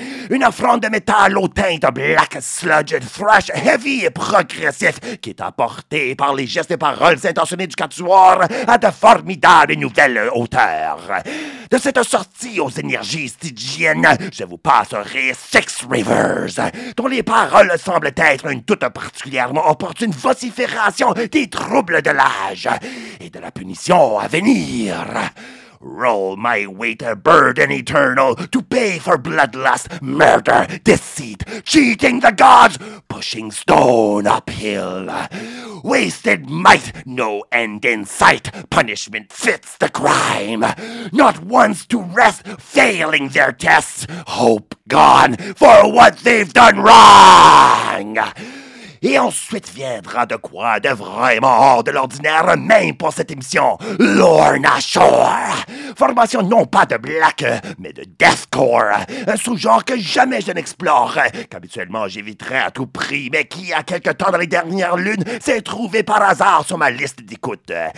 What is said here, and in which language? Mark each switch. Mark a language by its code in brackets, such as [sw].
[fr] Une offrande de métal aux teintes black, sludge, thrash, heavy et progressif, qui est apportée par les gestes et paroles intentionnées du quatuor à de formidables et nouvelles hauteurs. De cette sortie aux énergies stygiennes, je vous passerai Six Rivers, dont les paroles semblent être une toute particulièrement opportune vocifération des troubles de l'âge et de la punition à venir. [en] Roll my weight, a burden eternal, to pay for bloodlust, murder, deceit, cheating the gods, pushing stone uphill. Wasted might, no end in sight, punishment fits the crime. Not once to rest, failing their tests, hope gone for what they've done wrong. [fr] et ensuite viendra de quoi de vraiment hors de l'ordinaire, même pour cette émission, Lorna Shore. Formation non pas de black, mais de deathcore, un sous-genre que jamais je n'explore, qu'habituellement j'éviterai à tout prix, mais qui, à quelque temps dans les dernières lunes, s'est trouvé par hasard sur ma liste d'écoute.